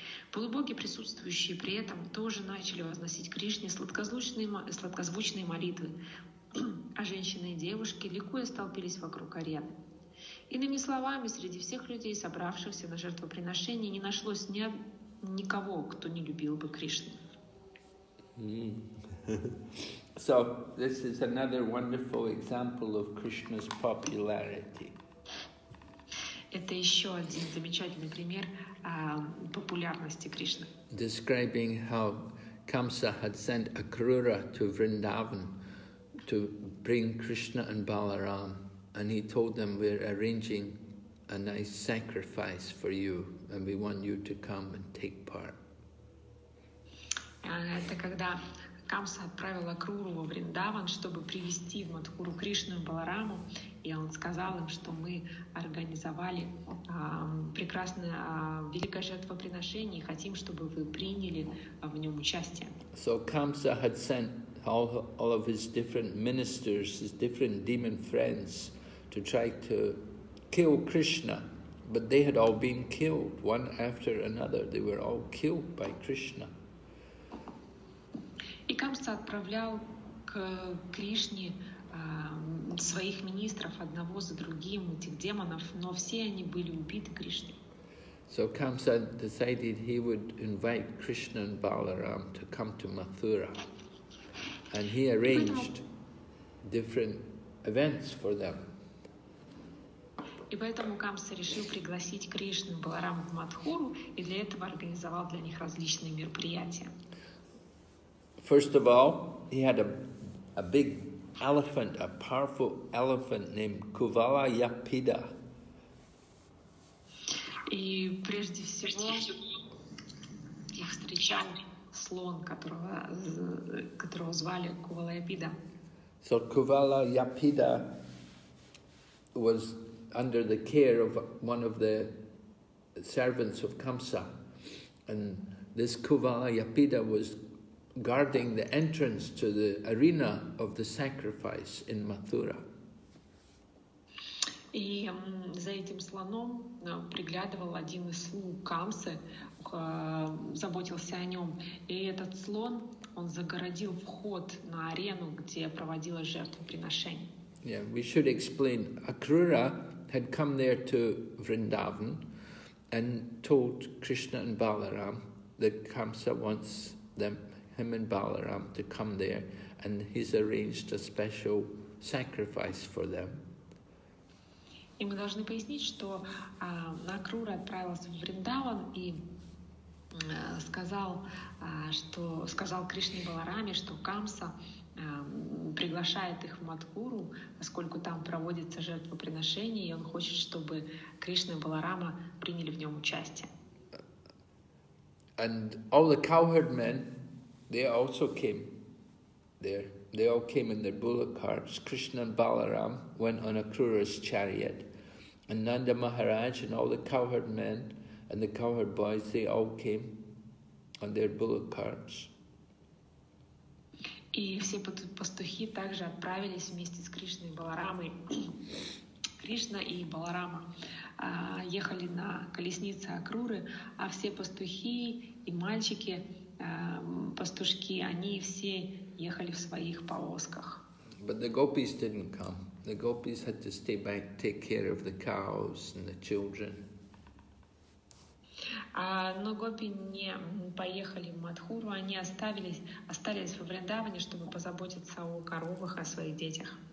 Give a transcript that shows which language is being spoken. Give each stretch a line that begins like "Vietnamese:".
Russian: Полубоги, присутствующие при этом, тоже начали возносить Кришне сладкозвучные молитвы, а женщины и девушки ликуя столпились вокруг арены. Иными словами, среди всех людей, собравшихся на жертвоприношение, не нашлось никого, кто не любил бы Кришну.
English: So, this is another wonderful example of Krishna's popularity.
Russian: Это еще один замечательный пример популярности Кришны.
English: Describing how Kamsa had sent Akrura to Vrindavan to bring Krishna and Balaram. And he told them, we're arranging a nice sacrifice for you, and we want you to come and take part.
Russian: Это когда Камса отправил Акруру во Вриндаван, чтобы привести в Мадхуру Кришну и Балараму, и он сказал им, что мы организовали прекрасное, великое жертвоприношение, и хотим, чтобы вы приняли в нем участие.
English: So Kamsa had sent all of his different ministers, his different demon friends, to try to kill Krishna, but they had all been killed, one after another. They were all killed by Krishna.
Russian: И Камса отправлял к Кришне своих министров одного за другим, этих демонов, но все они были убиты Кришной.
English: So Kamsa decided he would invite Krishna and Balaram to come to Mathura. And he arranged different events for them.
Russian: И поэтому Камса решил пригласить Кришну Балараму в Мадхуру и для этого организовал для них различные мероприятия.
English: First of all, he had a big elephant, a powerful elephant named Kuvala Yapida.
Russian: И прежде всего их встречал слон, которого звали Kuvala Yapida.
English: So Kuvala Yapida was under the care of one of the servants of Kamsa. And this Kuvala Yapida was guarding the entrance to the arena of the sacrifice in Mathura.
Russian: И за этим слоном приглядывал один из слуг Камсы, заботился о нем. И этот слон, он загородил вход на арену, где проводилось жертвоприношение.
English: Yeah, we should explain. Akrura had come there to Vrindavan and told Krishna and Balaram that Kamsa wants them, him and Balaram, to come there, and he's arranged a special sacrifice for them.
Russian: И мы должны пояснить, что Акрура отправилась в Вриндаван и сказал, что сказал Кришне Баларами, что Камса приглашает их в Матхуру, поскольку там проводится жертвоприношение, и он хочет, чтобы Кришна и Баларама приняли в нем участие.
English: And all the cowherd men, they also came there. They all came in their bullock carts. Krishna and Balaram went on a Krura's chariot. And Nanda Maharaj and all the cowherd men and the cowherd boys, they all came on their bullock carts.
Russian: И все пастухи также отправились вместе с Кришной и Баларамой. Кришна и Баларама ехали на колеснице Акруры, а все пастухи и мальчики, пастушки, они все ехали в своих повозках.
English: But the gopis didn't come. The gopis had to stay back, take care of the cows and the children.
Russian: Но гопи не поехали в Матхуру, они остались во Вриндаване, чтобы позаботиться о коровах, о своих детях.